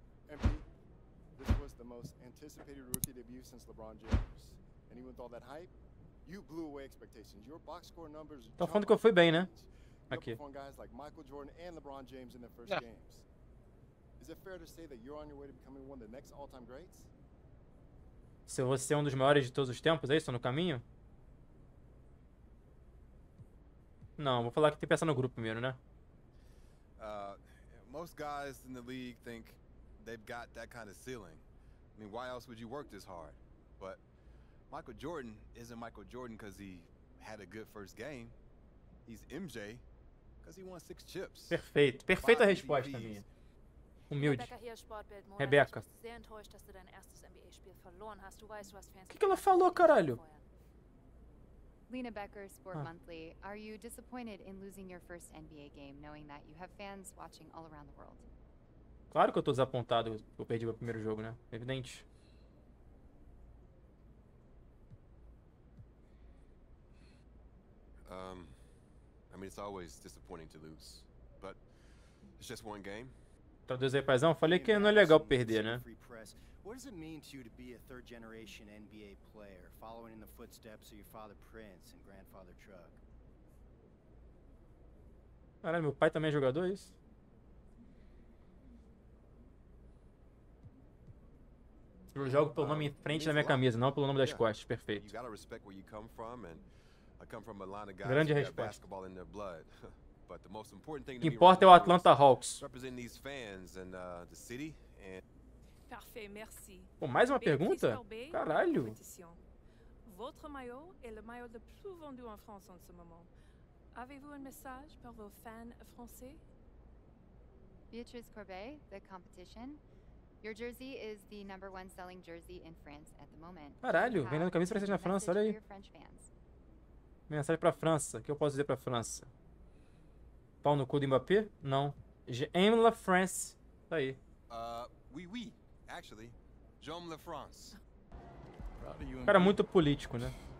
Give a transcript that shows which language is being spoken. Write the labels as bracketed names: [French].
[English] MP, this was the most anticipated rookie debut since LeBron James. And even with all that hype, you blew away expectations. Your box score numbers. [Portuguese] Tá falando que eu fui bem, né? Aqui. [English] You performed guys like Michael Jordan and LeBron James in their first games. Is it fair to say that you're on your way to becoming one of the next all-time greats? [Portuguese] Se você é um dos maiores de todos os tempos, é isso? No caminho? Não, vou falar que tem que pensar no grupo primeiro, né? [English] Most guys in the league think they've got that kind of ceiling. I mean, why else would you work this hard? But Michael Jordan isn't Michael Jordan because he had a good first game. He's MJ because he won six chips. [Portuguese] Perfeito. Perfeita resposta, minha. Humilde. Rebeca. O que ela falou, caralho? [English] Lena Becker, Sport Monthly. Are you disappointed in losing your first NBA game, knowing that you have fans watching all around the world? [Portuguese] Claro que eu tô desapontado, eu perdi meu primeiro jogo, né? Evidente. [English] I mean, it's always disappointing to lose, but it's just one game. [Portuguese] Traduz aí, paizão. Falei que não é legal perder, né? [English] What does it mean to you to be a third generation NBA player, following in the footsteps of your father Prince and grandfather Chuck? [Portuguese] Caralho, meu pai também é jogador, isso? Eu jogo pelo nome em frente da minha camisa, não pelo nome das costas. Perfeito. [English] You gotta respect where you come from, and I come from a line of guys who have basketball in their blood. But the most important thing to [Portuguese] importa é o Atlanta Hawks. [English] Representing these fans and the city and [Portuguese] pô, mais uma pergunta? Caralho. [French] Votre maillot est le maillot le plus vendu en France en ce moment. Avez-vous un message pour vos fans français? [English] Beatrice Corbet, the competition. Your jersey is the number one selling jersey in France at the moment. [Portuguese] Caralho, vendendo camisa francesa na França, olha aí. Mensagem pra França, o que eu posso dizer pra França? Pau no cu do Mbappé? Não. [French] J'aime la France. [Portuguese] Tá aí. [French] Oui, oui. Actually, Jean La France. [English] Proud of you. [Portuguese] Cara muito político, né?